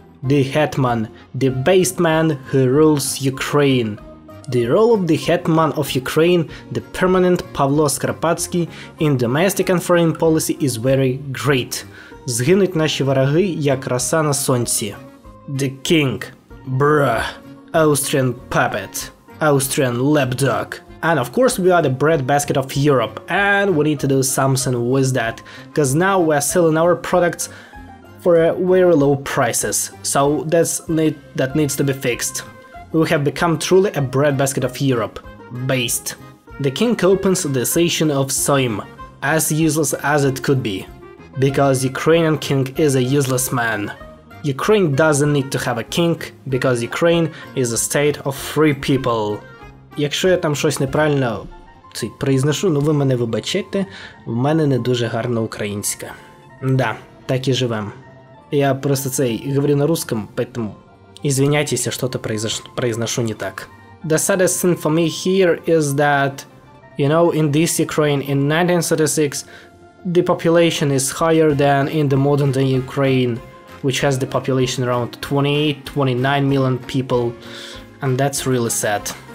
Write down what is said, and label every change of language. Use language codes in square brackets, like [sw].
[en] The Hetman, the based man who rules Ukraine. The role of the Hetman of Ukraine, the permanent Poltavskiy, in domestic and foreign policy is very great. [uk] Згинуть наші вороги, як роса на сонці. [en] The king, bruh, Austrian puppet, Austrian lapdog. And of course we are the breadbasket of Europe, and we need to do something with that, cause now we are selling our products for a very low prices, so that needs to be fixed. We have become truly a breadbasket of Europe, based. The king opens the session of Sejm, as useless as it could be, because Ukrainian king is a useless man. Ukraine doesn't need to have a king, because Ukraine is a state of free people. [uk] Якщо я там щось неправильно произношу, ну ви мене вибачайте, в мене не дуже гарна українська. Да, так і живем. [ru] Я просто говорю на русском, поэтому извиняйтесь, что-то произношу не так. [en] The saddest thing for me here is that, you know, in this Ukraine in 1936, the population is higher than in the modern day Ukraine, which has the population around 28-29 million people, and that's really sad.